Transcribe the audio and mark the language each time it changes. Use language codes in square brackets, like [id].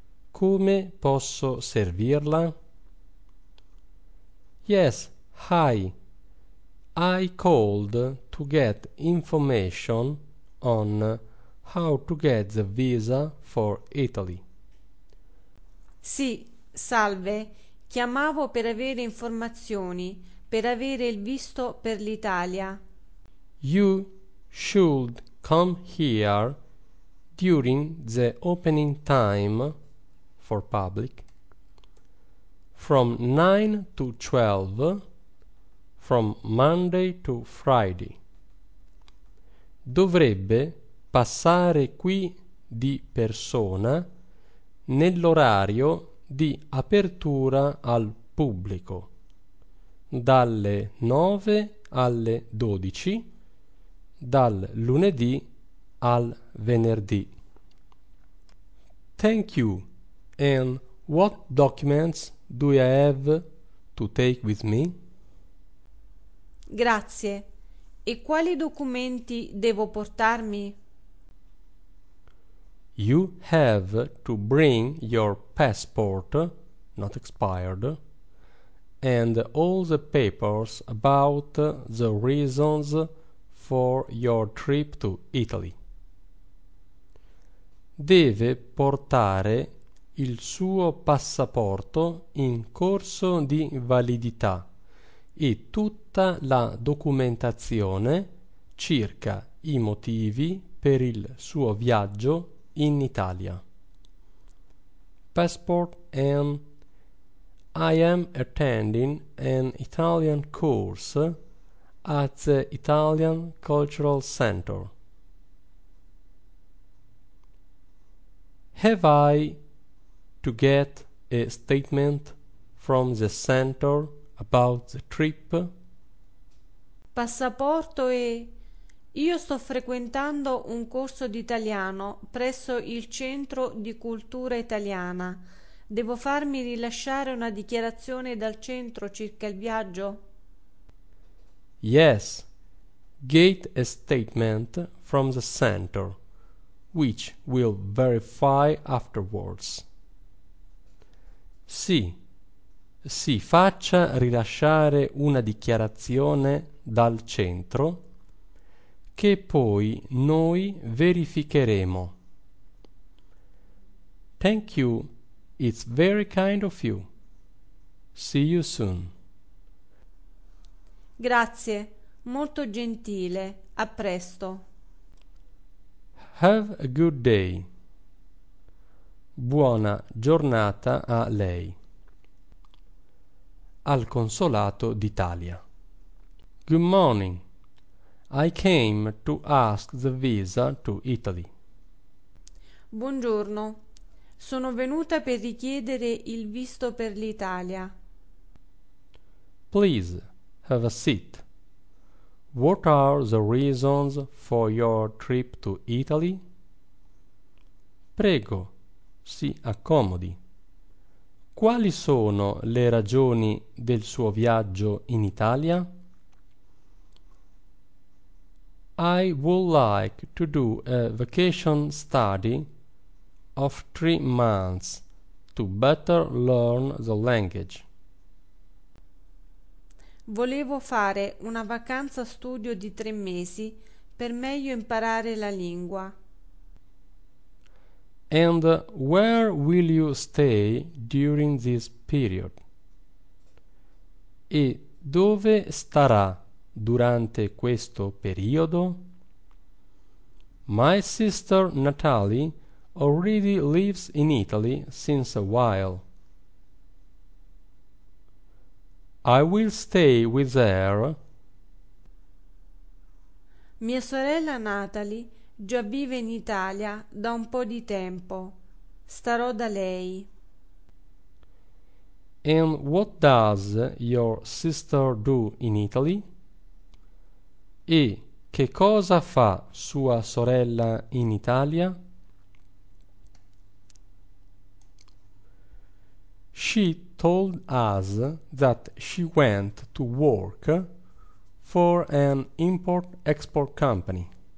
[it] Come posso servirla? [en] Yes, hi. I called to get information on how to get the visa for Italy. [it] Sì, salve. Chiamavo per avere informazioni, per avere il visto per l'Italia. [en] You should come here during the opening time for public from 9 to 12 from Monday to Friday. [it] Dovrebbe passare qui di persona nell'orario di apertura al pubblico, dalle 9 alle 12, dal lunedì al venerdì. [en] Thank you. And what documents do I have to take with me? [it] Grazie. E quali documenti devo portarmi? [en] You have to bring your passport, not expired, and all the papers about the reasons for your trip to Italy. [it] Deve portare il suo passaporto in corso di validità e tutta la documentazione circa i motivi per il suo viaggio in Italia. [en] Passport and I am attending an Italian course at the Italian Cultural Center. Have I to get a statement from the center about the trip? [it] Passaporto e io sto frequentando un corso di italiano presso il Centro di Cultura Italiana. Devo farmi rilasciare una dichiarazione dal centro circa il viaggio? [en] Yes, get a statement from the center, which will verify afterwards. [it] Sì, si faccia rilasciare una dichiarazione dal centro che poi noi verificheremo. [en] Thank you, it's very kind of you. See you soon. [it] Grazie, molto gentile. A presto. [en] Have a good day. [it] Buona giornata a lei. Al Consolato d'Italia. [en] Good morning. I came to ask the visa to Italy. [it] Buongiorno, sono venuta per richiedere il visto per l'Italia. [en] Please have a seat. What are the reasons for your trip to Italy? [it] Prego, si accomodi. Quali sono le ragioni del suo viaggio in Italia? [en] I would like to do a vacation study of 3 months to better learn the language. [it] Volevo fare una vacanza studio di 3 mesi per meglio imparare la lingua. [en] And where will you stay during this period? [it] E dove starà durante questo periodo? [en] My sister Natalie already lives in Italy since a while. I will stay with her [it] Mia sorella Natalie già vive in Italia da un po' di tempo. Starò da lei. [en] And what does your sister do in Italy? [it] E che cosa fa sua sorella in Italia? [en] She told us that she went to work for an import-export company.